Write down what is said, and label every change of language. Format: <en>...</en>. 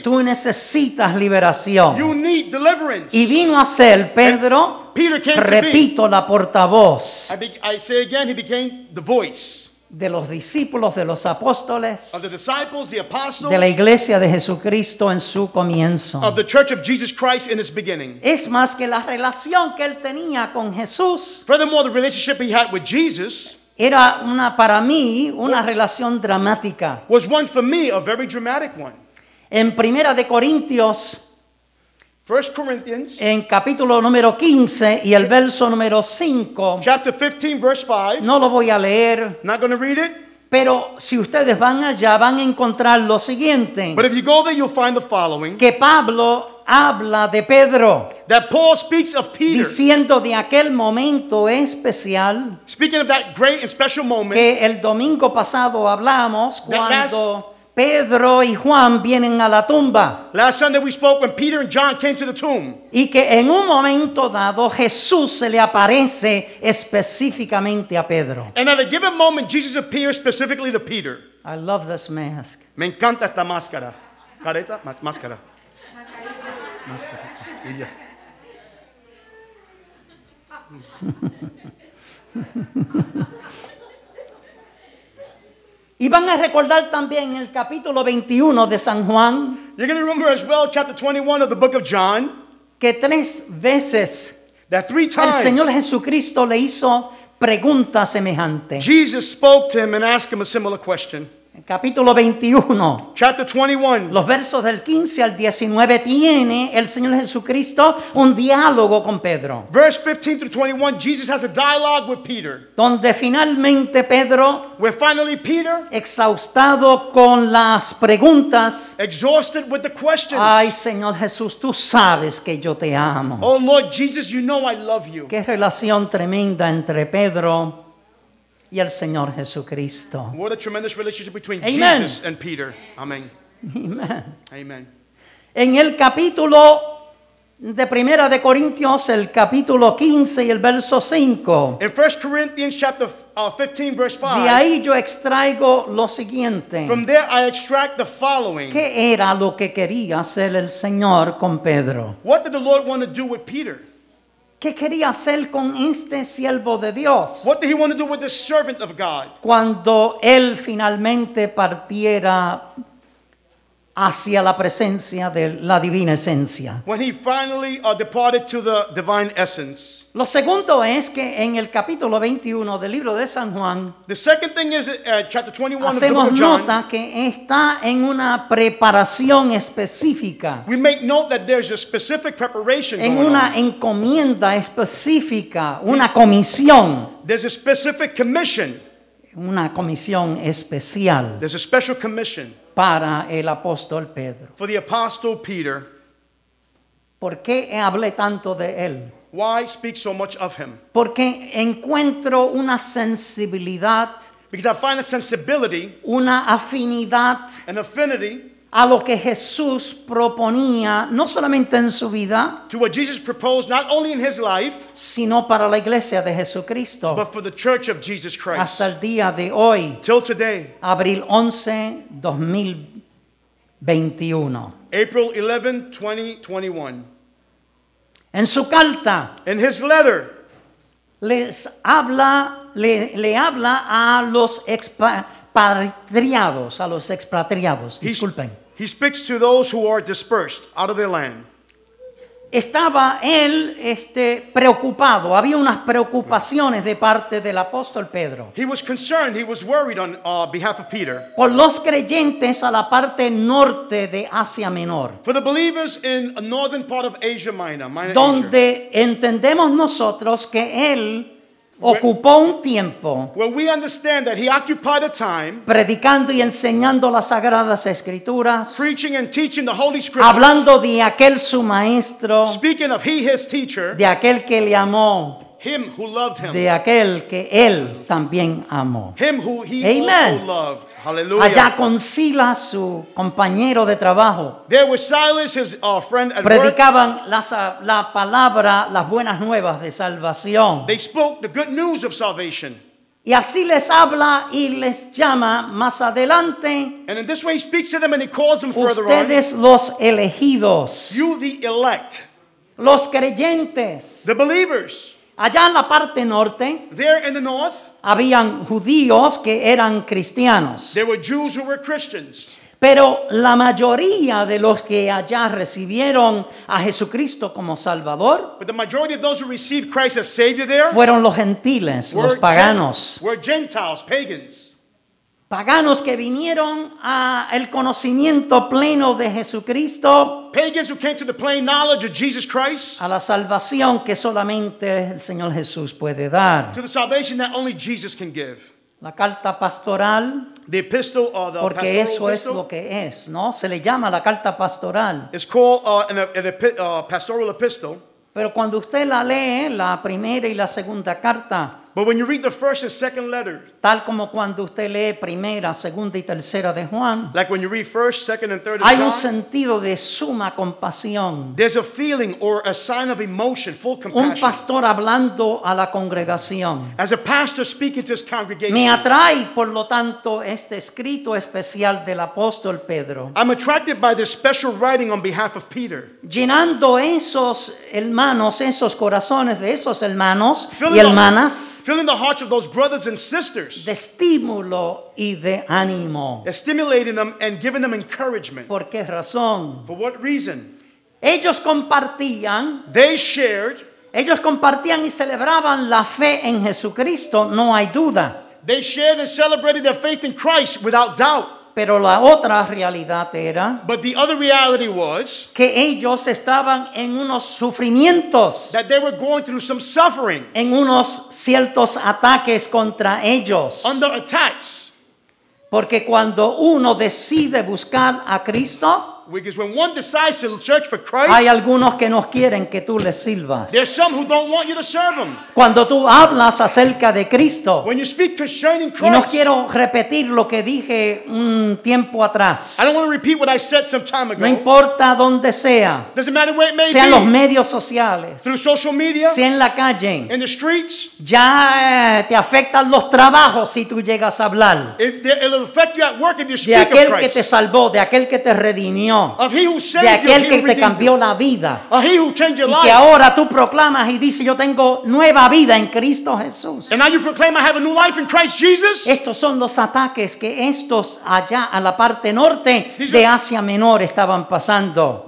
<es>Tú necesitas liberación.</es> <en>You need deliverance.</en> <es>Y vino a ser Pedro,</es> <en>Peter came</en> <es>repito,</es> <en>to me.</en> <es>La portavoz.</es> <en>I say again, he became the voice.</en> <es>De los discípulos, de los apóstoles.</es> <en>Of the disciples, the apostles.</en> <es>De la iglesia de Jesucristo en su comienzo.</es> <en>Of the church of Jesus Christ in its beginning.</en> <es>Es más que la relación que él tenía con Jesús.</es> <en>Furthermore, the relationship he had with Jesus.</en> <es>Era una, para mí, una relación dramática.</es> <en>Was one for me, a very dramatic one.</en> <es>En Primera de Corintios,</es> <en>First Corinthians,</en> <es>en capítulo número 15 y el verso número 5,</es> <en>chapter 15, verse 5,</en> <es>no lo voy a leer,</es> <en>not going to read it,</en> <es>pero si ustedes van allá, van a encontrar lo siguiente,</es> <en>but if you go there, you'll find the following,</en> <es>que Pablo habla de Pedro,</es> <en>that Paul speaks of Peter,</en> <es>diciendo de aquel momento especial,</es> <en>speaking of that great and special moment,</en> <es>que el domingo pasado hablamos cuando Pedro y Juan vienen a la tumba,</es> <en>last Sunday we spoke when Peter and John came to the tomb,</en> <es>y que en un momento dado Jesús se le aparece específicamente a Pedro,</es> <en>and at a given moment Jesus appears specifically to Peter. I love this mask.</en> <es>Me encanta esta máscara. Careta, máscara. Máscara. Y van a recordar también el capítulo 21 de San Juan.</es> <en>You're going to remember as well chapter 21 of the book of John.</en> <es>Que tres veces,</es> <en>that three times,</en> <es>el Señor Jesucristo le hizo pregunta semejante.</es> <en>Jesus spoke to him and asked him a similar question.</en> <es>El capítulo 21.</es> <en>Chapter 21.</en> <es>Los versos del 15 al 19 tiene el Señor Jesucristo un diálogo con Pedro.</es> <en>Verse 15 through 21, Jesus has a dialogue with Peter.</en> <es>Donde finalmente Pedro,</es> <en>where finally Peter,</en> <es>exhaustado con las preguntas,</es> <en>exhausted with the questions.</en> <es>Ay, Señor Jesús, tú sabes que yo te amo.</es> <en>Oh Lord Jesus, you know I love you.</en> <es>Qué relación tremenda entre Pedro y el Señor Jesucristo.</es> <en>What a tremendous relationship between, amen, Jesus and Peter. Amen. Amen. Amen.</en> <es>En el capítulo de Primera de Corintios, el capítulo 15 y el verso 5.</es> <en>In 1 Corinthians chapter 15 verse 5.</en> <es>De ahí yo extraigo lo siguiente.</es> <en>From there I extract the following.</en> <es>¿Qué era lo que quería hacer el Señor con Pedro?</es> <en>What did the Lord want to do with Peter?</en> <es>¿Qué quería hacer con este siervo de Dios?</es> <en>What did he want to do with this servant of God?</en> <es>Cuando él finalmente partiera hacia la presencia de la divina esencia.</es> <en>When he finally departed to the divine essence.</en> <es>Lo segundo es que en el capítulo 21 del libro de San Juan,</es> <en>the second thing is chapter 21 of the book of John.</en> <es>Hacemos nota que está en una preparación específica.</es> <en>We make note that there's a specific preparation</en> <es>en</es> <en>going</en> <es>una</es> <en>on.</en> <es>Encomienda específica, una comisión.</es> <en>There's a specific commission.</en> <es>Una comisión especial.</es> <en>There's a special commission.</en> <es>Para el apóstol Pedro.</es> <en>For the apostle Peter.</en> <es>¿Por qué hablé tanto de él?</es> <en>Why speak so much of him?</en> <es>Porque encuentro una sensibilidad,</es> <en>because I find a sensibility,</en> <es>una afinidad,</es> <en>an affinity,</en> <es>a lo que Jesús proponía, no solamente en su vida,</es> <en>to what Jesus proposed, not only in his life,</en> <es>sino para la iglesia de Jesucristo,</es> <en>but for the church of Jesus Christ,</en> <es>hasta el día de hoy,</es> <en>till today,</en> <es>abril 11, 2021,</es> <en>April 11, 2021.</en> <es>En su carta,</es> <en>in his letter,</en> <es>le habla a los expatriados, a los expatriados, disculpen.</es> <en>He speaks to those who are dispersed out of their land.</en> <es>estaba él preocupado, había unas preocupaciones de parte del apóstol Pedro.</es> <en>He was concerned, he was worried on behalf of Peter.</en> <es>Por los creyentes a la parte norte de Asia Menor.</es> <en>For the believers in a northern part of Asia Minor,</en> <es>donde entendemos nosotros que él ocupó un tiempo.</es> <en>Well, we understand that he occupied a time</en> <es>predicando y enseñando las sagradas escrituras,</es> <en>preaching and teaching the holy scriptures,</en> <es>hablando de aquel su maestro,</es> <en>speaking of he his teacher,</en> <es>de aquel que le amó,</es> <en>him who loved him,</en> <es>de aquel que él también amó,</es> <en>him who he Amen. Also loved. Hallelujah.</en> <es>Allá con Silas, su compañero de trabajo,</es> <en>there was Silas, his friend at</en> <es>predicaban</es> <en>work.</en> <es>La palabra, las buenas nuevas de salvación.</es> <en>They spoke the good news of salvation.</en> <es>Y así les habla y les llama más adelante.</es> <en>And in this way he speaks to them and he calls them further on.</en> <es>Ustedes los elegidos.</es> <en>You the elect.</en> <es>Los creyentes.</es> <en>The believers.</en> <es>Allá en la parte norte,</es> <en>there in the north,</en> <es>habían judíos que eran cristianos.</es> <en>There were Jews who were Christians.</en> <es>Pero la mayoría de los que allá recibieron a Jesucristo como Salvador,</es> <en>but the majority of those who received Christ as Savior there,</en> <es>fueron los gentiles, los paganos.</es> <en>Were Gentiles, pagans.</en> <es>Paganos que vinieron a el conocimiento pleno de Jesucristo.</es> <en>Pagans who came to the plain knowledge of Jesus Christ.</en> <es>A la salvación que solamente el Señor Jesús puede dar.</es> <en>To the salvation that only Jesus can give.</en> <es>La carta pastoral.</es> <en>The epistle or the</en> <es>porque</es> <en>pastoral</en> <es>eso</es> <en>epistle,</en> <es>es lo que es, ¿no? Se le llama la carta pastoral.</es> <en>It's called an pastoral epistle.</en> <es>Pero cuando usted la lee, la primera y la segunda carta,</es> <en>but when you read the first and second letter,</en> <es>tal como cuando usted lee primera, segunda y tercera de Juan,</es> <en>like when you read first, second and third of</en> <es>hay</es> <en>John,</en> <es>un sentido de suma compasión.</es> <en>There's a feeling or a sign of emotion, full compassion.</en> <es>Un pastor hablando a la congregación.</es> <en>As a pastor speaking to his congregation.</en> <es>Me atrae, por lo tanto, este escrito especial del apóstol Pedro.</es> <en>I'm attracted by this special writing on behalf of Peter.</en> <es>Llenando esos hermanos, esos corazones de esos hermanos y hermanas.</es> <en>Filling the hearts of those brothers and sisters.</en> <es>De estímulo y de ánimo.</es> <en>Stimulating them and giving them encouragement.</en> <es>¿Por qué razón?</es> <en>For what reason?</en> <es>Ellos compartían.</es> <en>They shared.</en> <es>Ellos compartían y celebraban la fe en Jesucristo, no hay duda.</es> <en>They shared and celebrated their faith in Christ without doubt.</en> <es>Pero la otra realidad era.</es> <en>But the other reality was.</en> <es>Que ellos estaban en unos sufrimientos.</es> <en>That they were going through some suffering.</en> <es>En unos ciertos ataques contra ellos.</es> <en>Under attacks.</en> <es>Porque cuando uno decide buscar a Cristo.</es> <en>Because when one decides to search for Christ.</en> <es>Hay algunos que no quieren que tú les sirvas.</es> <en>There's some who don't want you to serve them.</en> <es>Cuando tú hablas acerca de Cristo.</es> <en>When you speak concerning Christ.</en> <es>Y no quiero repetir lo que dije un tiempo atrás.</es> <en>I don't want to repeat what I said some time ago.</en> <es>No importa dónde sea.</es> <en>Doesn't matter where it may</en> <es>sea Sea en los medios sociales.</es> <en>Through social media.</en> <es>Sea en la calle.</es> <en>In the streets.</en> <es>Ya te afectan los trabajos si tú llegas a hablar.</es> <en>It'll affect you at work if you speak of Christ.</en> <es>De aquel que te salvó, de aquel que te redimió.</es> <en>Of he who saved</en> <es>de aquel</es> <en>you,</en> <es>que te cambió la vida</es> <en>of he who changed your</en> <es>y</es> <en>life.</en> <es>Que ahora tú proclamas y dices yo tengo nueva vida en Cristo Jesús.</es> <en>And now you proclaim I have a new life in Christ Jesus.</en> <es>Estos son los ataques que estos allá a la parte norte are, de Asia Menor estaban pasando.</es>